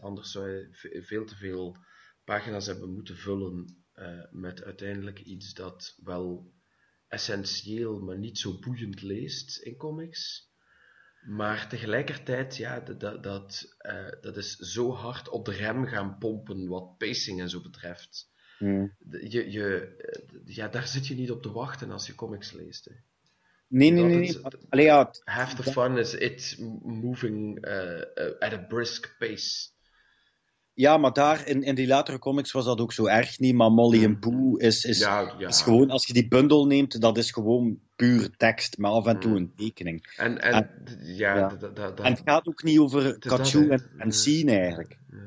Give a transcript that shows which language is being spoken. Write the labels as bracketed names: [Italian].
[Dutch] Anders zou hij veel te veel pagina's hebben moeten vullen met uiteindelijk iets dat wel essentieel, maar niet zo boeiend leest in comics. Maar tegelijkertijd, ja, dat is zo hard op de rem gaan pompen wat pacing en zo betreft. Je, daar zit je niet op te wachten als je comics leest, hè. Nee. Allee, ja. [English] Half the fun is it moving at a brisk pace. [Dutch] Ja, maar daar, in die latere comics was dat ook zo erg niet, maar Molly en Pooh is gewoon, als je die bundel neemt, dat is gewoon puur tekst, maar af en toe een tekening. En het gaat ook niet over Cachou en Scene eigenlijk.